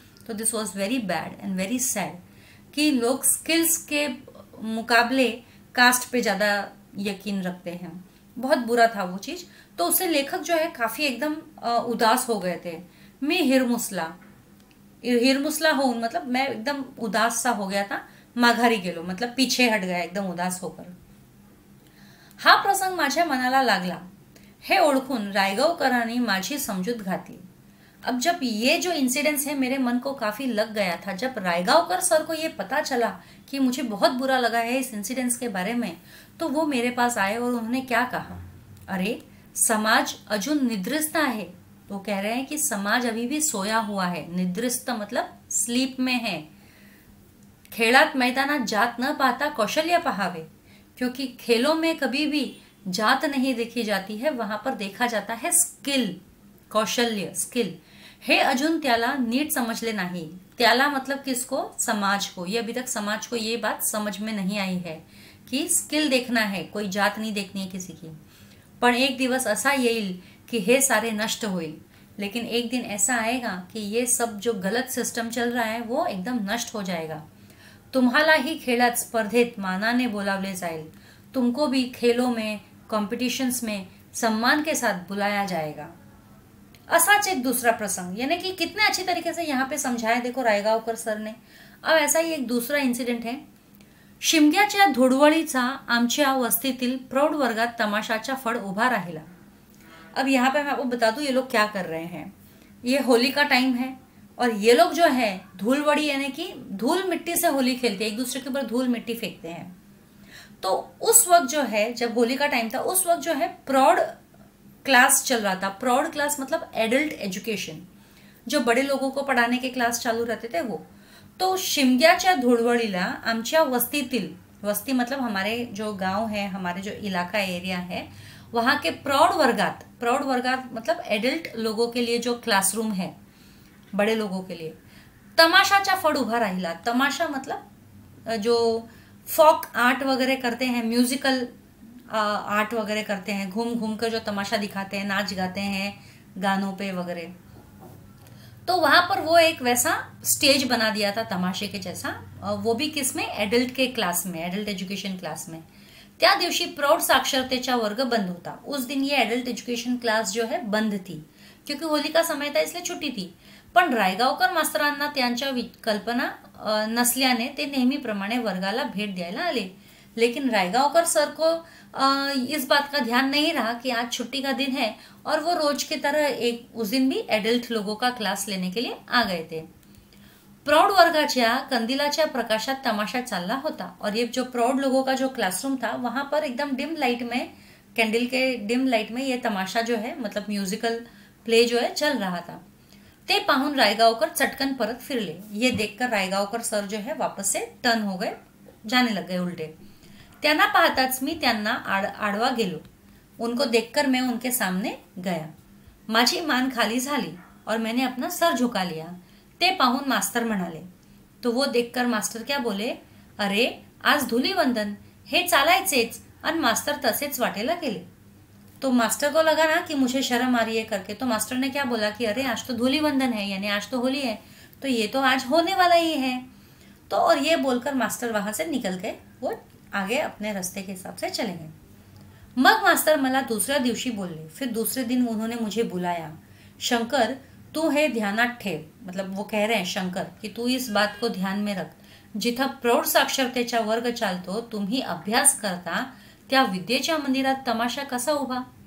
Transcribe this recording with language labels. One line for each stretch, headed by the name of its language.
Hindi: तो
English: this was very bad and very sad
Hindi: कि लोग स्किल्स के मुकाबले कास्ट पे ज्यादा यकीन रखते हैं, बहुत बुरा था वो चीज। तो उससे लेखक जो है काफी एकदम उदास हो गए थे। मैं हिरमुसला हूं मतलब मैं एकदम उदास सा हो गया था,
Marathi: माघारी गेलो
Hindi: मतलब पीछे हट गया एकदम उदास होकर।
Marathi: हा प्रसंग माझ्या मनाला लागला हे ओळखून रायगावकरांनी माझी समजूत घातली।
Hindi: अब जब ये जो इंसिडेंस है मेरे मन को काफी लग गया था, जब रायगांवकर सर को ये पता चला कि मुझे बहुत बुरा लगा है इस इंसिडेंस के बारे में, तो वो मेरे पास आए और उन्होंने क्या कहा, अरे
Marathi: समाज अजू निद्रिस्ता है।
Hindi: वो कह रहे हैं कि समाज अभी भी सोया हुआ है, निद्रिस्त मतलब स्लीप में है।
Marathi: खेलात मैदाना जात न पाता कौशल्य पहावे,
Hindi: क्योंकि खेलों में कभी भी जात नहीं देखी जाती है, वहां पर देखा जाता है स्किल, कौशल्य, स्किल।
Marathi: हे अर्जुन त्याला नीट समझ ले नाही।
Hindi: त्याला मतलब किसको, समाज को। ये अभी तक समाज को ये बात समझ में नहीं आई है कि स्किल देखना है, कोई जात नहीं देखनी है किसी की।
Marathi: पर एक दिवस ऐसा येईल कि हे सारे नष्ट होईल।
Hindi: लेकिन एक दिन ऐसा आएगा कि ये सब जो गलत सिस्टम चल रहा है वो एकदम नष्ट हो जाएगा।
Marathi: तुम्हाला ही खेलत स्पर्धेत मानाने बोलावले जाईल,
Hindi: तुमको भी खेलों में कॉम्पिटिशन्स में सम्मान के साथ बुलाया जाएगा।
Marathi: असाच एक दूसरा प्रसंग,
Hindi: यानी कि कितने अच्छे तरीके से यहाँ पे समझाया देखो रायगांवकर सर ने। अब ऐसा ही एक दूसरा इंसिडेंट है।
Marathi: शिमग्याच्या धुडवळीचा आमच्या वस्तीतील प्रौढ वर्गात तमाशाचा फड उभा राहिला।
Hindi: अब यहाँ पे मैं आपको बता दूँ ये लोग क्या कर रहे हैं। ये होली का टाइम है और ये लोग जो है धूलवड़ी यानी कि धूल मिट्टी से होली खेलते हैं, एक दूसरे के ऊपर धूल मिट्टी फेंकते हैं। तो उस वक्त जो है, जब होली का टाइम था, उस वक्त जो है प्रौढ़ क्लास चल रहा था। प्रौढ़ क्लास मतलब एडल्ट एजुकेशन, जो बड़े लोगों को पढ़ाने के क्लास चालू रहते थे वो। तो
Marathi: शिमग्याच्या धुडवळीला आमच्या वस्तीतील,
Hindi: वस्ती मतलब हमारे जो गांव है, हमारे जो इलाका एरिया है, वहां के प्रौढ़ वर्गात, प्रौढ़ वर्गात मतलब एडल्ट लोगों के लिए जो क्लासरूम है बड़े लोगों के लिए,
Marathi: तमाशाचा फड उभा राहिला।
Hindi: तमाशा मतलब जो फोक आर्ट वगैरह करते हैं, म्यूजिकल आर्ट वगैरह करते हैं, घूम घूम कर जो तमाशा दिखाते हैं, नाच गाते हैं गानों पे वगैरह। तो वहां पर वो एक वैसा स्टेज बना दिया था तमाशे के जैसा, वो भी किसमें, एडल्ट के क्लास में, एडल्ट एजुकेशन क्लास में।
Marathi: त्या दिवशी प्रौढ़ साक्षरतेचा वर्ग बंद होता।
Hindi: उस दिन ये एडल्ट एजुकेशन क्लास जो है बंद थी, क्योंकि होली का समय था इसलिए छुट्टी थी।
Marathi: पण रायगांवकर मास्तरांना त्यांच्या कल्पना नसल्याने ते नेहमीप्रमाणे वर्गाला भेट द्यायला आले।
Hindi: लेकिन रायगांवकर सर को इस बात का ध्यान नहीं रहा कि आज छुट्टी का दिन है, और वो रोज की तरह एक उस दिन भी एडल्ट लोगों का क्लास लेने के लिए आ गए थे।
Marathi: प्रौढ़ वर्गाच्या कंदिलाच्या प्रकाशात तमाशा चालला होता,
Hindi: और ये जो प्रौढ़ लोगों का जो क्लासरूम था वहां पर एकदम डिम लाइट में, कैंडल के डिम लाइट में ये तमाशा जो है मतलब म्यूजिकल प्ले जो है चल रहा था।
Marathi: ते पाहून रायगांवकर चटकन परत फिर ले,
Hindi: ये देखकर रायगांवकर सर जो है वापस से टर्न हो गए, जाने लग गए उल्टे।
Marathi: त्यांना पाहताच मी त्यांना आडवा गेलो,
Hindi: उनको देखकर मैं उनके सामने गया,
Marathi: माझी मान खाली झाली
Hindi: और मैंने अपना सर झुका लिया।
Marathi: ते पाहून मास्टर म्हणाले,
Hindi: तो वो देखकर मास्टर क्या बोले,
Marathi: अरे आज धूलिवंदन हे चालायचेच, आणि मास्टर तसेच वाटेला गेले।
Hindi: तो मास्टर को लगा ना कि मुझे शर्म आ रही है करके, तो मास्टर ने क्या बोला कि अरे आज तो धूलिवंदन है, यानी आज तो होली है, तो ये तो आज होने वाला ही है। तो और ये बोलकर मास्टर वहां से निकल गए, वो आगे अपने रास्ते के हिसाब से चले गए।
Marathi: मग मास्टर मला दूसरा दिवसी बोलले,
Hindi: फिर दूसरे दिन उन्होंने मुझे बुलाया,
Marathi: शंकर तू है ध्यानात ठेव,
Hindi: मतलब वो कह रहे हैं शंकर कि तू इस बात को ध्यान में रख,
Marathi: जिथ प्रौढ़ साक्षरतेचा वर्ग चालतो तुम्ही अभ्यास करता त्या विद्येच्या मंदिरात तमाशा कसा उभा।